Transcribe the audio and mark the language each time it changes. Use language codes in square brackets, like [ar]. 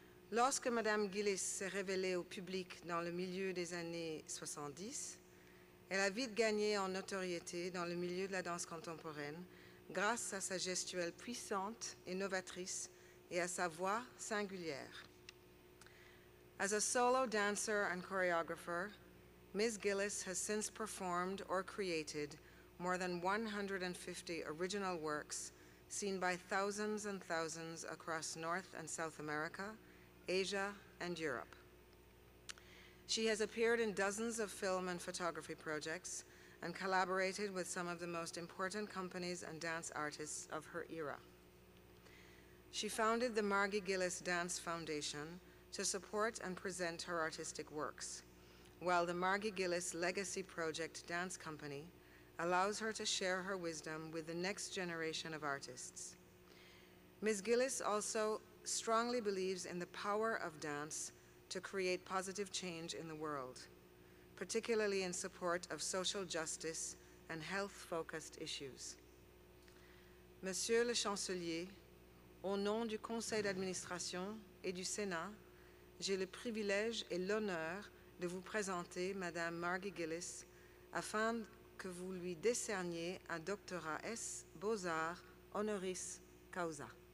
[fr] Lorsque Madame Gillis s'est révélée au public dans le milieu des années 70, elle a vite gagné en notoriété dans le milieu de la danse contemporaine grâce à sa gestuelle puissante et novatrice et à sa voix singulière. [en] As a solo dancer and choreographer, Ms. Gillis has since performed or created more than 150 original works seen by thousands and thousands across North and South America, Asia, and Europe. She has appeared in dozens of film and photography projects and collaborated with some of the most important companies and dance artists of her era. She founded the Margie Gillis Dance Foundation to support and present her artistic works, while the Margie Gillis Legacy Project Dance Company allows her to share her wisdom with the next generation of artists. Ms. Gillis also strongly believes in the power of dance to create positive change in the world, particularly in support of social justice and health-focused issues. [fr] Monsieur le Chancelier, au nom du Conseil d'administration et du Sénat, j'ai le privilège et l'honneur de vous présenter Madame Margie Gillis afin que vous lui décerniez un doctorat S Beaux-Arts honoris causa.